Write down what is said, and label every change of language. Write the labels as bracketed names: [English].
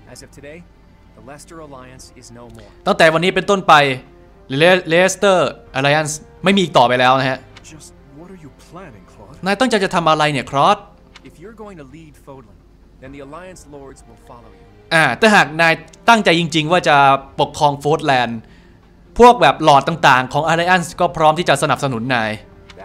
[English] As of today, the Leicester Alliance is no more. [Thai] ตั้งแต่วันนี้เป็นต้นไปเลสเตอร์ Alliance ไม่มีอีกต่อไปแล้วนะฮะ [English] Just, what are you planning, Claude? [Thai] นายตั้งใจจะทำอะไรเนี่ยครอส [English] If you're going to lead Fodlan, then the Alliance Lords will follow you [Thai] ถ้าหากนายตั้งใจจริงๆว่าจะปกครองโฟร์ดแลนด์พวกแบบหลอดต่างๆของอาร์ไลแอนซ์ก็พร้อมที่จะสนับสนุนนายย